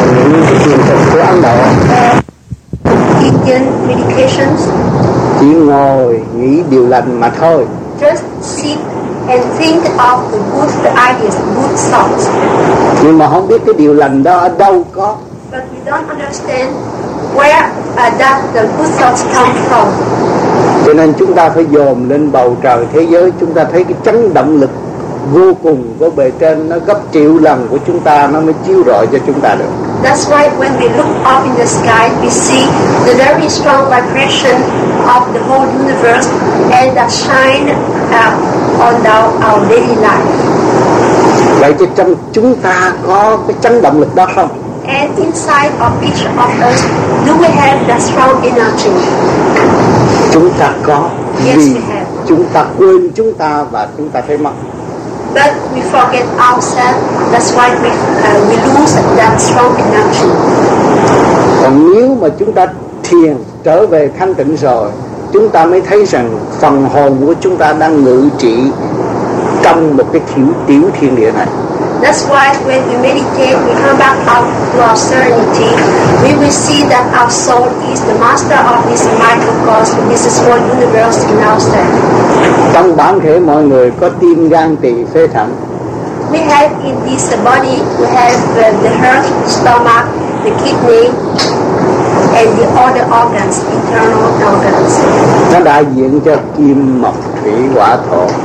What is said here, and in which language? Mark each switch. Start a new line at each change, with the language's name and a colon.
Vietnamese: những cái thiền thực của Ấn Độ.
English: Indian meditations.
Vietnamese: Chỉ ngồi nghĩ điều lành mà thôi.
English: Just sit and think of the good ideas, good thoughts.
Vietnamese: Nhưng mà không biết cái điều lành đó ở đâu có.
English: But we don't understand where that the good thoughts come from.
Vietnamese: Cho nên chúng ta phải dồn lên bầu trời thế giới, chúng ta thấy cái chấn động lực vô cùng của bề trên, nó gấp triệu lần của chúng ta, nó mới chiếu rọi cho chúng ta được.
English: That's why when we look up in the sky, we see the very strong vibration of the whole universe and that shine on our daily life.
Vietnamese: Vậy thì trong chúng ta có cái chấn động lực đó không?
English: And inside of each of us, do we have that strong energy?
Vietnamese: Chúng ta có.
English: Yes,
Vietnamese: vì chúng ta quên chúng ta và chúng ta thấy mất.
English: But we forget ourselves. That's why we lose that strong energy.
Vietnamese: Còn nếu mà chúng ta thiền trở về thanh tịnh rồi, chúng ta mới thấy rằng phần hồn của chúng ta đang ngự trị trong một cái tiểu thiên địa này.
English: That's why when we meditate, we come back out to our serenity. We will see that our soul is the master of this microcosm, this small universe in ourselves.
Vietnamese: Trong bản thể mọi người có tim, gan, tỳ, phế, thận.
English: We have in this body, we have the heart, stomach, the kidney, and the other organs, internal organs.
Vietnamese: Nó đại diện cho kim, mộc, thủy, hỏa, thổ.